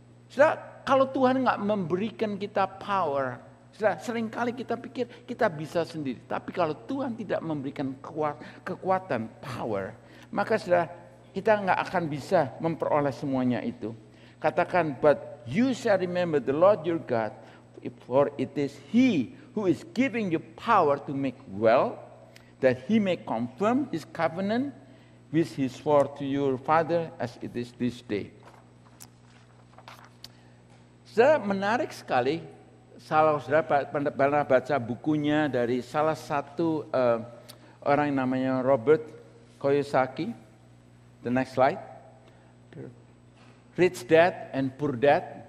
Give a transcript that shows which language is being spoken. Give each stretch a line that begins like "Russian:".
Indonesian: Sudah, kalau Tuhan enggak memberikan kita power, sudah seringkali kita pikir kita bisa sendiri. Tapi kalau Tuhan tidak memberikan kekuatan, power, maka sudah kita enggak akan bisa memperoleh semuanya itu. Katakan,
English: but you shall remember the Lord your God, for it is He who is giving you power to make wealth, that He may confirm His covenant which He swore to your father as it is this day.
Indonesian: Saudara, menarik sekali, kalau saudara pernah baca bukunya dari salah satu orang namanya Robert Kiyosaki.
English: The next slide. Rich Dad and Poor Dad.